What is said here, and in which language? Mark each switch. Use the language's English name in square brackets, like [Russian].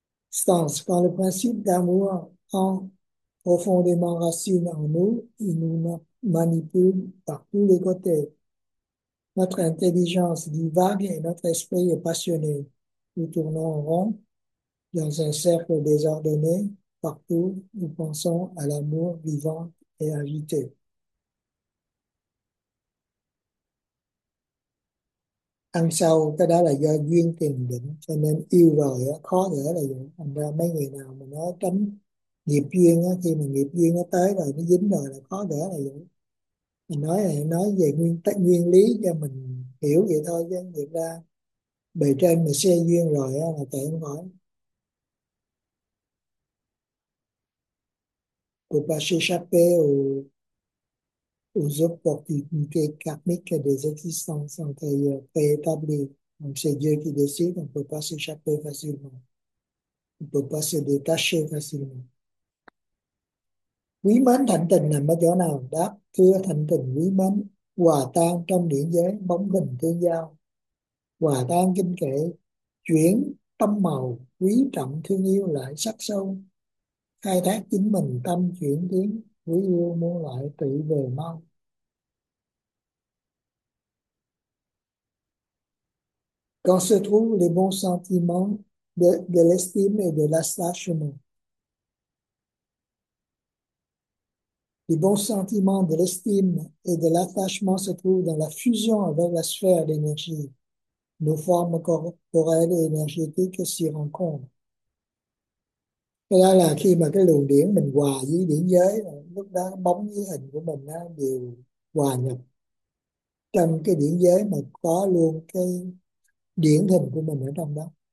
[French] Stance, quand le principe d'amour prend profondément racine en nous, il nous manipule par tous les côtés. Notre intelligence divague et notre esprit est passionné. Nous tournons en rond dans un cercle désordonné partout. Nous pensons à l'amour vivant et agité. [Vietnamese] Ăn sâu cái đó là do duyên tiền định, cho nên yêu rồi đó, khó gỡ là vậy. Thành ra mấy người nào mà nói tránh nghiệp duyên đó, khi mà nghiệp duyên nó tới rồi, nó dính rồi là khó gỡ là vậy. Mình nói là nói về nguyên tắc nguyên lý cho mình hiểu vậy thôi, chứ thiệt ra bề trên mà xe duyên rồi đó, là tệ không hỏi. [French] Pour pas s'échapper aux opportunités karmiques des existences antérieures préétablies. Donc, c'est Dieu qui décide, on ne peut pas s'échapper facilement. On ne peut pas se détacher facilement. [Vietnamese] Quý mến thanh tịnh nằm ở chỗ nào? Đáp, thưa, thanh tịnh quý mến, hòa tan trong điển giới, bóng hình tương giao. Hòa tan kinh kệ, chuyển tâm màu, quý trọng thương yêu lại sắc sâu. Khai thác chính mình tâm chuyển tiến, quý yêu muôn loại tự về mau. [French] Quand se trouvent les bons sentiments de l'estime et de l'attachement? Les bons sentiments de l'estime et de l'attachement se trouvent dans la fusion avec la sphère d'énergie. Nos formes corporelles et énergétiques s'y rencontrent. [Vietnamese] Cái đó là khi mà cái luồng điển mình hòa với điển giới, lúc đó bóng với hình của mình nó đều hòa nhập trong cái điển giới, mà có luôn cái điển hình của mình ở trong đó.